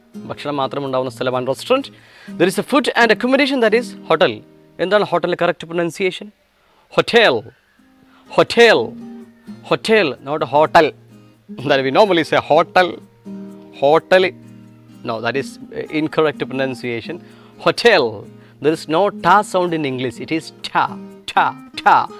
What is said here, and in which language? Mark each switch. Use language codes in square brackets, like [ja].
[ml] ഭക്ഷണം മാത്രം ഉണ്ടാവുന്ന സ്ഥലമാണ് restaurant. [en] There is a food and accommodation, that is hotel. [ml] എന്താണ് ഹോട്ടലിൻ്റെ കറക്റ്റ് പ്രൊനൗൺസിയേഷൻ? ഹോട്ടേൽ, ഹോട്ടേൽ, ഹോട്ടേൽ, [en] Not hotel. [ml] എന്താണ് [en] We normally say hotel, hotel. No, that is incorrect pronunciation. Hotel, there is no ട sound in English, it is ട, ട, ട.